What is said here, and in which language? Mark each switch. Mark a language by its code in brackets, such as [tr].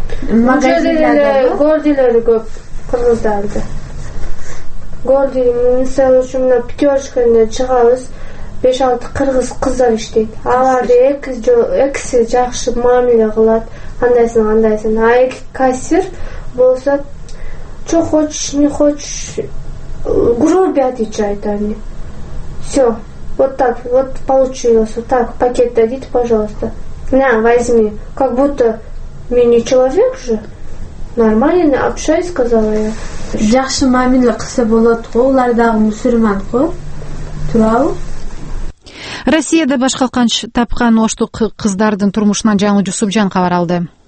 [ky] Гордилери көп кыргыздарды. Гордилери мисалы үчүн мына пятерочкада чыгабыз, 5-6 кыргыз кыздар иштейт. Аларды экиси жакшы мамиле кылат. Андайсың, андайсың. А эки кассир болсо, [ru] чо хочешь, не хочешь, грубо отвечает они. Все, вот так, вот получилось. Так, пакет дадите, пожалуйста. На, возьми. Как будто мини человек же. Нормально, общай, сказала я. [ky] Жакшы мамиле кылса болот го, алар дагы мусульман го. Туурабы? Россияда башка канч тапкан оштук кыздардын турмушунан жаңы Жусупжан кабар алды.